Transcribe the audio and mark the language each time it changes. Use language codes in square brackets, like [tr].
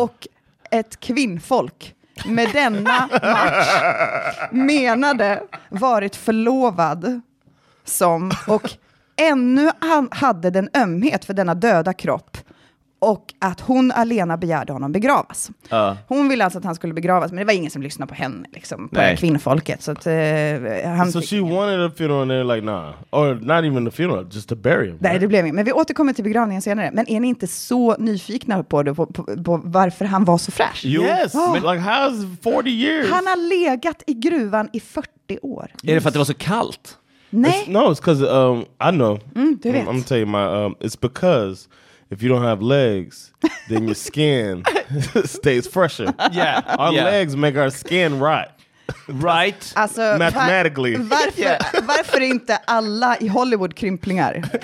[sv] Och ett kvinnfolk med denna match menade varit förlovad som, och ännu han hade den ömhet för denna döda kropp. Och att hon alena begärde honom begravas. Hon ville alltså att han skulle begravas. Men det var ingen som lyssnade på henne. Liksom, på kvinnfolket. Så att, han [en] so she wanted a funeral and they're like nah. Or not even a funeral, just to bury him. [sv] Nej, right? Det blev inget. Men vi återkommer till begravningen senare. Men är ni inte så nyfikna på det? På varför han var så fräsch? [en] Yes, like how's 40 years? [sv] Han har legat i gruvan i 40 år. Är det för att det var så kallt? Nej. [en] It's because, I know. [sv] Du vet. [en] I'm telling you, it's because... If you don't have legs, then your skin stays fresher. Yeah. Our legs make our skin rot. Right? [sv] Alltså, [en] mathematically. [sv] Varför inte alla i Hollywood krymplingar?